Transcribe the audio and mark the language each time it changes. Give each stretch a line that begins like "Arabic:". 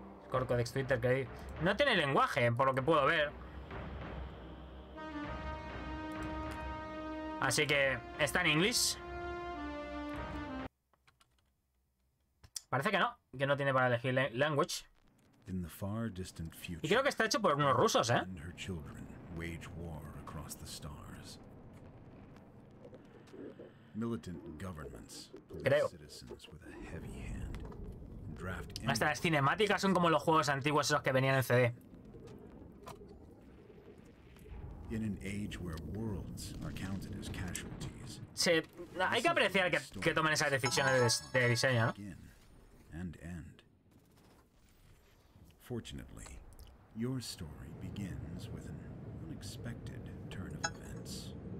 Spanish: Corcodex Twitter, que no tiene lenguaje, por lo que puedo ver. Así que está en inglés. Parece que no tiene para elegir language.
English: In the far distant future,
Spanish: y creo que está hecho por unos rusos, ¿eh?
English: And her children wage war across the stars. Militant governments,
Spanish: creo.
English: Citizens with a heavy hand. Draft.
Spanish: Hasta las cinemáticas son como los juegos antiguos esos que venían en CD.
English: In an age where worlds are counted as casualties.
Spanish: Sí, hay que apreciar que tomen esas decisiones de diseño, ¿no?
English: And end. Fortunately, your story begins with an unexpected turn of events.